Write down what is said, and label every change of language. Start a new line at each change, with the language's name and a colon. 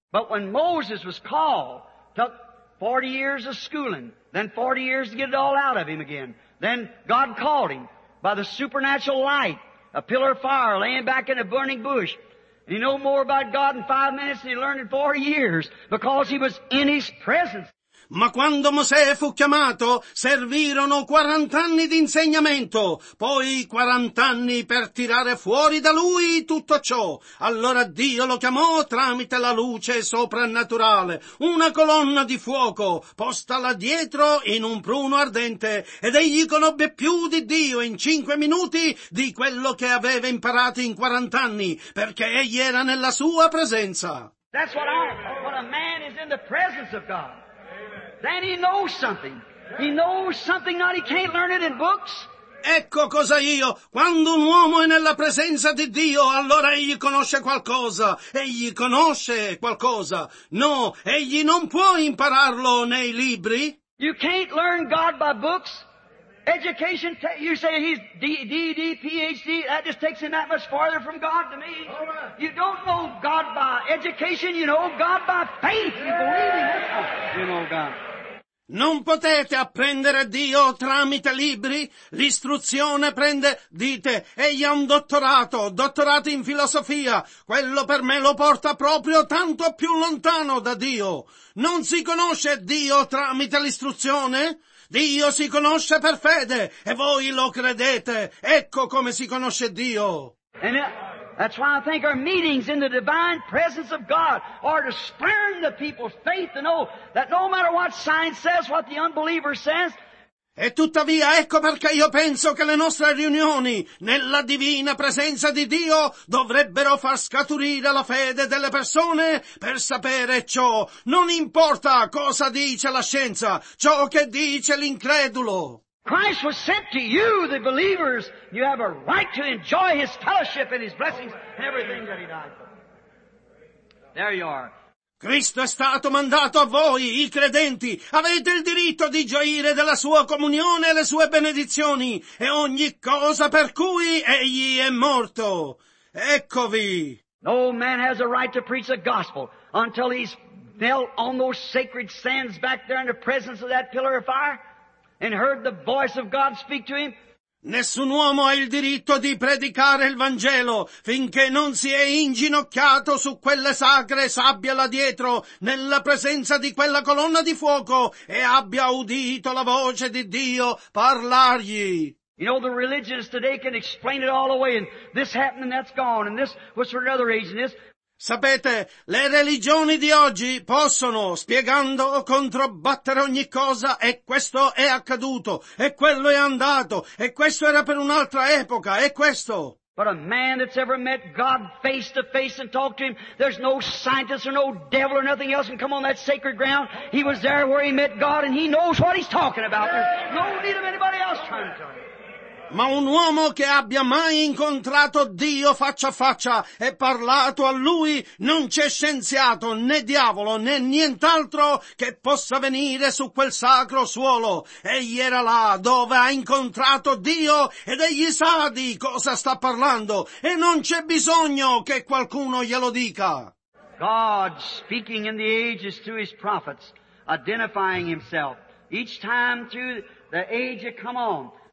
English: But when Moses was called, took 40 years of schooling, then 40 years to get it all out of him again, then God called him by the supernatural light, a pillar of fire laying back in a burning bush, and he knew more about God in 5 minutes than he learned in 40 years, because he was in his presence.
Italian: Ma quando Mosè fu chiamato, servirono 40 anni di insegnamento, poi 40 anni per tirare fuori da lui tutto ciò. Allora Dio lo chiamò tramite la luce soprannaturale, una colonna di fuoco posta là dietro in un pruno ardente, ed egli conobbe più di Dio in 5 minuti di quello che aveva imparato in 40 anni, perché egli era nella sua presenza.
English: That's what a man is in the presence of God. Then he knows something. He knows something that he can't learn it in books.
Italian: Ecco cosa io. Quando un uomo è nella presenza di Dio, allora egli conosce qualcosa. Egli conosce qualcosa. No, egli non può impararlo nei libri.
English: You can't learn God by books. Education, you say he's D.D., Ph.D., that just takes him that much farther from God to me. You don't know God by education, you know God by faith. You believe in this one. You know God.
Italian: Non potete apprendere Dio tramite libri. L'istruzione prende, dite, egli ha un dottorato in filosofia. Quello per me lo porta proprio tanto più lontano da Dio. Non si conosce Dio tramite l'istruzione? Dio si conosce per fede, e voi lo credete. Ecco come si conosce Dio.
English: And that's why I think our meetings in the divine presence of God are to spurn the people's faith to know that no matter what science says, what the unbeliever says.
Italian: E tuttavia ecco perché io penso che le nostre riunioni nella divina presenza di Dio dovrebbero far scaturire la fede delle persone per sapere ciò. Non importa cosa dice la scienza, ciò che dice l'incredulo.
English: Christ was sent to you, the believers. You have a right to enjoy his fellowship and his blessings and everything that he died for. There you are.
Italian: Cristo è stato mandato a voi, i credenti. Avete il diritto di gioire della sua comunione e le sue benedizioni e ogni cosa per cui egli è morto. Eccovi.
English: No man has a right to preach the gospel until he's knelt on those sacred sands back there in the presence of that pillar of fire and heard the voice of God speak to him.
Italian: Nessun uomo ha il diritto di predicare il Vangelo finché non si è inginocchiato su quelle sacre sabbie là dietro, nella presenza di quella colonna di fuoco, e abbia udito la voce di Dio parlargli.
English: You know, the religious today can explain it all away, and this happened and that's gone, and this was for another reason.
Italian: Sapete, le religioni di oggi possono, spiegando o controbattere ogni cosa, e questo è accaduto, e quello è andato, e questo era per un'altra epoca, e questo.
English: But a man that's ever met God face to face and talked to him, there's no scientist or no devil or nothing else can come on that sacred ground. He was there where he met God and he knows what he's talking about. There's no need of anybody else trying to tell him.
Italian: Ma un uomo che abbia mai incontrato Dio faccia a faccia e parlato a Lui, non c'è scienziato, né diavolo, né nient'altro che possa venire su quel sacro suolo. Egli era là dove ha incontrato Dio ed egli sa di cosa sta parlando e non c'è bisogno che qualcuno glielo dica.
English: God speaking in the ages through His prophets, identifying Himself each time through the age that come on.